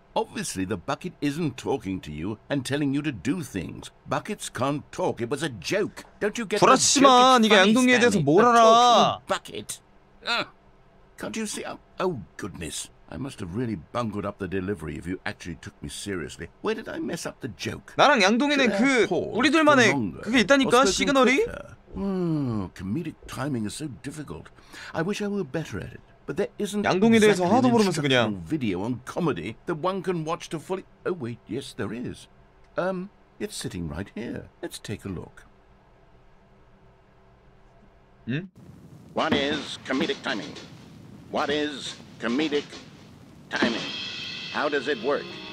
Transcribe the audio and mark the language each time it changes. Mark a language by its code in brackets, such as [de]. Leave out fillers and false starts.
[en] Obviously the bucket isn't talking to you and telling you to do things. Buckets can't talk. It was a joke. Don't you get it? [ko] 불안치만 이게 양동이에 대해서 뭘 알아? [en] Bucket. Can't you see? Oh goodness. I must have really bungled up the delivery if you actually took me seriously. Where did I mess up the joke? [ko] 나랑 양동이는 그 우리들만의 그게 있다니까 시그널이. [en] Comedic timing is so difficult. I wish I were better at it. But there isn't [ko] 양동이에 대해서 하도 모르면서 그냥 [en] video on comedy that one can watch to fully. Oh wait, yes there is. It's sitting right here. Let's take a look. 음? What is comedic timing? What is comedic timing? How does it work?